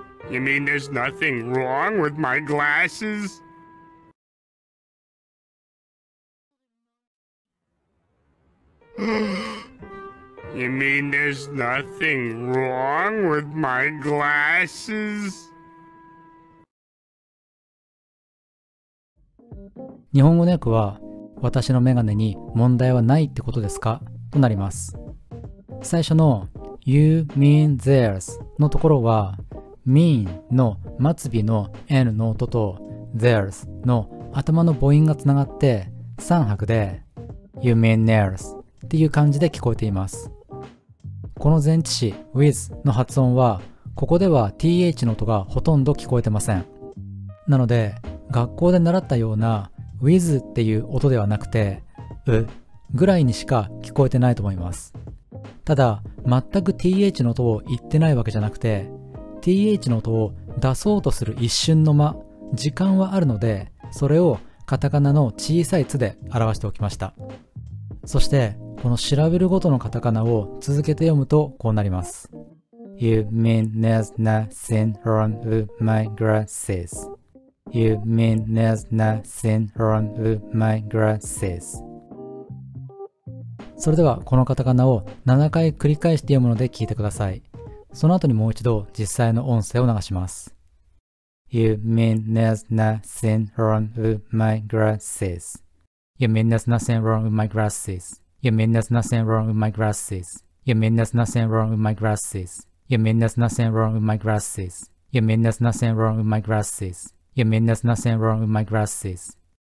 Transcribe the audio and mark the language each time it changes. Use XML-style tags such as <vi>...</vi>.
<en>You mean there's nothing wrong with my glasses? You mean there's nothing wrong with my glasses?</en> <ja>日本語の訳は、私のメガネに問題はないってことですか?となります。最初の</ja> <en>You mean there's</en> <ja>のところは、mean の末尾の N の音と there's の頭の母音がつながって3拍で You mean there's っていう感じで聞こえています。この前置詞 with の発音はここでは th の音がほとんど聞こえてません。なので学校で習ったような with っていう音ではなくてうぐらいにしか聞こえてないと思います。ただ全く th の音を言ってないわけじゃなくて th の音を出そうとする一瞬の間時間はあるのでそれをカタカナの小さいつで表しておきました。そしてこのシラブルごとのカタカナを続けて読むとこうなります。</ja> <en>You mean there's nothing wrong with my glasses. You mean there's nothing wrong with my glasses.</en> <ja>それではこのカタカナを7回繰り返して読むので聞いてください。その後にもう一度実際の音声を流します。</ja> <en>You mean there's nothing wrong with my glasses. You mean there's nothing wrong with my glasses. You mean there's nothing wrong with my glasses. You mean there's nothing wrong with my glasses. You mean there's nothing wrong with my glasses. You mean there's nothing wrong with my glasses. You mean there's nothing wrong with my glasses.</en>